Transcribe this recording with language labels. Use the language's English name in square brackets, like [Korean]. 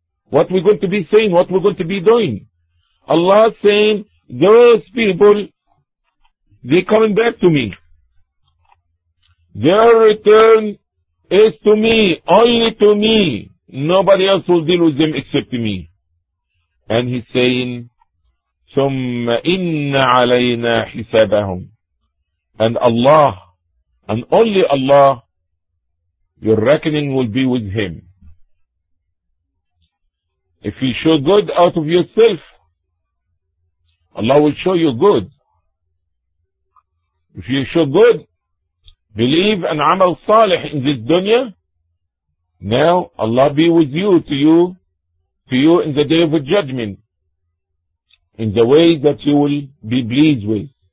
[English] What we're going to be saying? What we're going to be doing? Allah saying, those people, they're coming back to me. Their return is to me, only to me. Nobody else will deal with them except me. And he's saying, [Arabic] ثُمَّ إِنَّ عَلَيْنَا حِسَابَهُمْ. [English] And Allah, and only Allah, your reckoning will be with him. If you show good out of yourself, Allah will show you good. If you show good, believe and amal salih in this dunya, now Allah be with you, to you in the day of judgment, in the way that you will be pleased with.